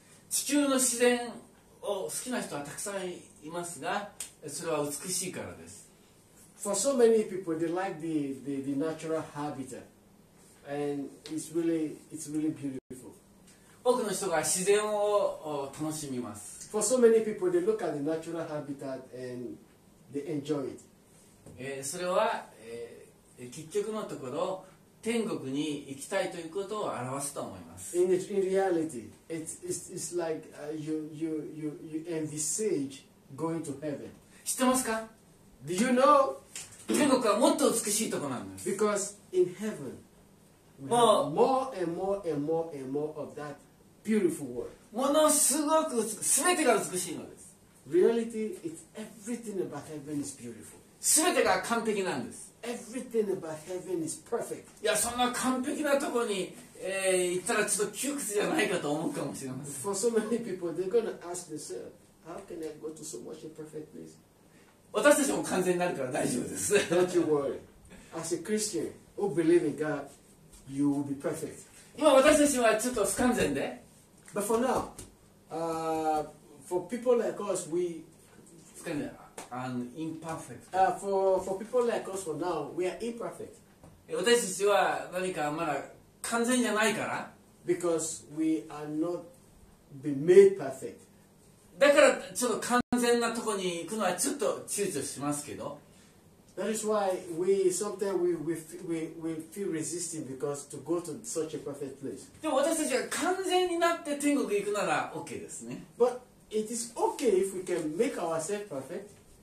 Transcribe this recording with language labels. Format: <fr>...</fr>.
<ja>地球の自然を好きな人はたくさんいますが、それは美しいからです。</ja> <en>For so many people, they like the natural habitat, and it's really beautiful.</en> <ja>多くの人が自然を楽しみます。</ja> <en>For so many people, they look at the natural habitat and they enjoy it.</en> <ja>それは、結局のところ天国に行きたいということを表すと思います。</ja> <en>In reality, it's like you envisage going to heaven.</en> <ja>知ってますか？</ja> <en>Do you know?</en> <ja>天国はもっと美しいところなんです。</ja> <en>Because in heaven, we have more and more and more and more of that beautiful world.</en> <ja>ものすごく全てが美しいのです。</ja> <en>Reality, it's everything about heaven is beautiful.</en> <ja>全てが完璧なんです。</ja> <en>Everything about heaven is perfect.</en> <ja>いや、そんな完璧なところに、行ったらちょっと窮屈じゃないかと思うかもしれません。</ja> <en>For so many people, they're gonna ask themselves, how can I go to so much a perfect place?</en> <ja>私たちも完全になるから大丈夫です。</ja> <en>Don't you worry. As a Christian who believe in God, you will be perfect.</en> <ja>今私たちはちょっと不完全で。</ja> <en>But for now, for people like us, we</en> <ja>不完全。</ja> <en>And imperfect. For people like us, for now, we are imperfect.</en> <ja>私たちは何かまだ完全じゃないから。</ja> <en>Because we are not been made perfect.</en> <ja>だからちょっと完全なところに行くのはちょっと躊躇しますけど。</ja> <en>That is why we sometimes we feel resisting because to go to such a perfect place.</en> <ja>でも私たちが完全になって天国行くなら OK ですね。</ja> <en>But it is okay if we can make ourselves perfect.</en>